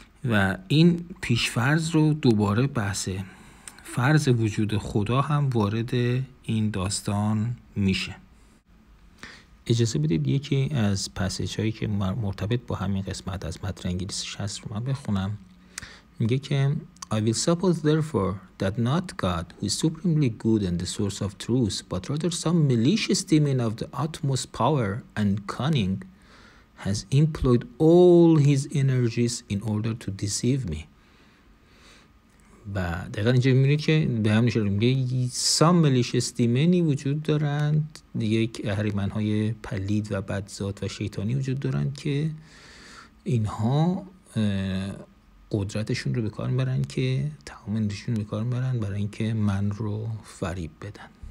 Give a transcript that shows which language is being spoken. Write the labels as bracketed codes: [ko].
[fa] و این پیش فرض رو دوباره بحثه فرض وجود خدا هم وارد این داستان میشه. اجازه بدید یکی از پسیج هایی که مرتبط با همین قسمت از متن انگلیسی هست رو من بخونم. [en] میگه که I will suppose therefore that not God, who is supremely good and the source of truth, but rather some malicious demon of the utmost power and cunning has employed all his energies in order to deceive me. [fa] و دقیقا اینجا میبینید که به هم نشاره میگه [en] some malicious دیمنی [fa] وجود دارند، یک اهریمن های پلید و بدذات و شیطانی وجود دارند که اینها قدرتشون رو به کار میبرن، که تمام انرژیشون رو به کار میبرن برای اینکه من رو فریب بدن.